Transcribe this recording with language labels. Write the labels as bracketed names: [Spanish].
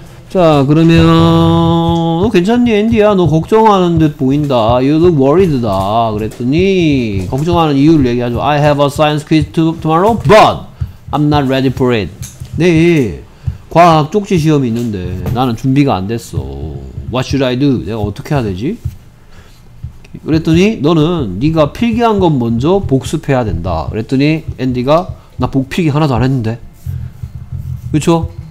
[Korean] 자, 그러면 너 괜찮니, 앤디야? 너 걱정하는 듯 보인다. [English] You look worried [Korean] 다. 그랬더니 걱정하는 이유를 얘기하죠. [English] I have a science quiz tomorrow, but I'm not ready for it. [Korean] 내일 과학 쪽지 시험이 있는데 나는 준비가 안 됐어. [English] What should I do? [Korean] 내가 어떻게 해야 되지? 그랬더니 너는 네가 필기한 건 먼저 복습해야 된다. 그랬더니 앤디가 나 복필기 하나도 안 했는데. 그렇죠?